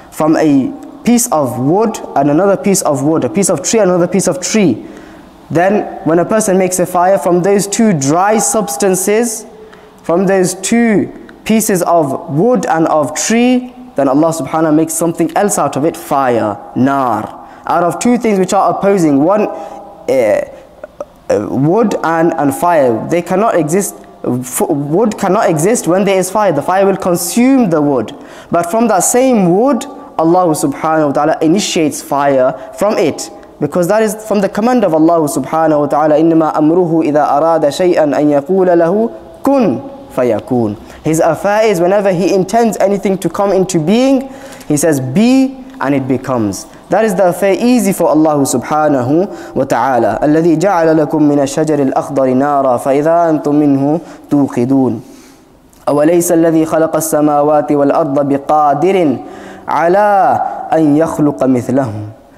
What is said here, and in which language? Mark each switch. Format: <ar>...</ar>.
<en>From a piece of wood and another piece of wood, a piece of tree and another piece of tree, then when a person makes a fire from those two dry substances, from those two pieces of wood and of tree, then Allah subhanahu wa ta'ala makes something else out of it, fire, nar, out of two things which are opposing, one wood and fire. They cannot exist, wood cannot exist when there is fire. The fire will consume the wood. But from that same wood, Allah subhanahu wa ta'ala initiates fire from it. Because that is from the command of Allah subhanahu wa ta'ala.</en> <ar>إِنَّمَا أَمْرُهُ إِذَا أَرَادَ شَيْئًا أَنْ يَقُولَ لَهُ كُنْ فَيَكُونَ.</ar> <en>His affair is whenever he intends anything to come into being, he says be and it becomes. That is the affair easy for Allah subhanahu wa ta'ala.</en> <ar>الَّذِي جَعَلَ لَكُم مِّنَ الشَّجَرِ الْأَخْضَرِ نَارًا فَإِذَا أَنْتُم مِّنْهُ تُوْقِدُونَ. أَوَلَيْسَ الَّذِي خَلَقَ السَّمَاوَاتِ وَالْأَرْضَ بِقَادِرٍ عَلَىٰ أَنْ يَخْلُقَ مِثْلَهُمْ.</ar>